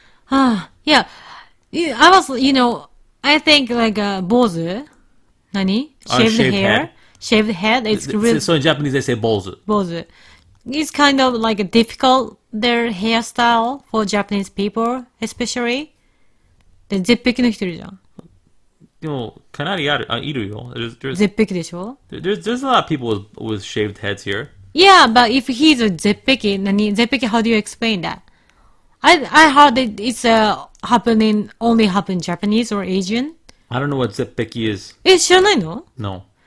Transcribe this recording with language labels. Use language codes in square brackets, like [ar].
[en] Yeah. I was, you know, I think like a bozu. Nani? Shaved head. It's really. So in Japanese they say bozu. Bozu. It's kind of like a difficult their hairstyle for Japanese people, especially. [ja] で、絶壁の人いるじゃん。でも、かなりある、あ、いるよ。絶壁でしょ? [en] There's a lot of people with shaved heads here. Yeah, but if he's a 絶壁、何?絶壁, how do you explain that? I heard that it's only happen Japanese or Asian. I don't know what 絶壁 is. [ja] え、知らないの? [en] No.